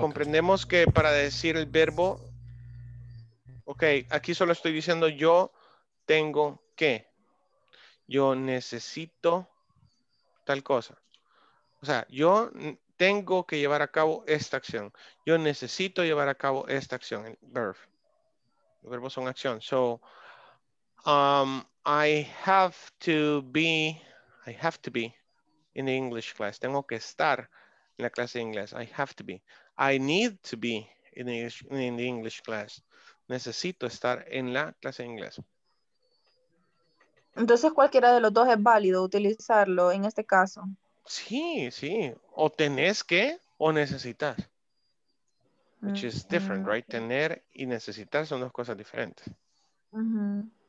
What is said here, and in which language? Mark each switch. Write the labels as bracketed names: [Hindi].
[Spanish] Comprendemos que para decir el verbo, ok, aquí solo estoy diciendo yo tengo que. Yo necesito tal cosa. O sea, yo tengo que llevar a cabo esta acción. Yo necesito llevar a cabo esta acción. El verb. Los verbos son acción. [English] So, I have to be in the English class. [Spanish] Tengo que estar en la clase de inglés. [English] I have to be. I need to be in the English class. [Spanish] Necesito estar en la clase de inglés. Entonces, cualquiera de los dos es válido utilizarlo en este caso. Sí, sí. O tenés que o necesitas. [English] Which is different, right? [Spanish] Tener y necesitar son dos cosas diferentes. Uh-huh.